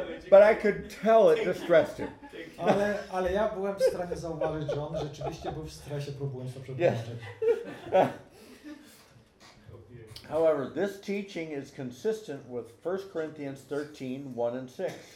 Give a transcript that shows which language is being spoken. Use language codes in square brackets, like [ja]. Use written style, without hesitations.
[en] But I could tell it distressed him. [pl] Ale ja byłem w stanie zauważyć, że on rzeczywiście był w stresie, próbując to przetłumaczyć. [en] However, this teaching is consistent with 1 Corinthians 13, 1 and 6.